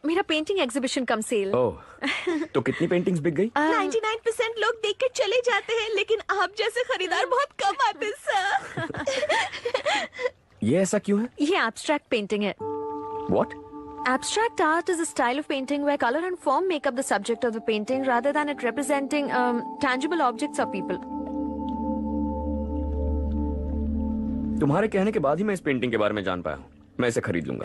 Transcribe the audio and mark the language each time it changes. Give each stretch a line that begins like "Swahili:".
Hindi: मेरा painting exhibition कम cell. ओह, तो कितनी पेंटिंग्स बिक गई? 99% लोग देख के चले जाते हैं, लेकिन आप जैसे खरीदार बहुत कम आते सर। ये ऐसा क्यों है? ये एब्स्ट्रैक्ट पेंटिंग है।
English: What? Abstract art is a style of painting where color and form make up the subject of the painting rather than it representing tangible objects or people.
Hindi: तुम्हारे कहने के बाद ही मैं इस पेंटिंग के बारे में जान पाया हूँ, मैं इसे खरीद लूंगा।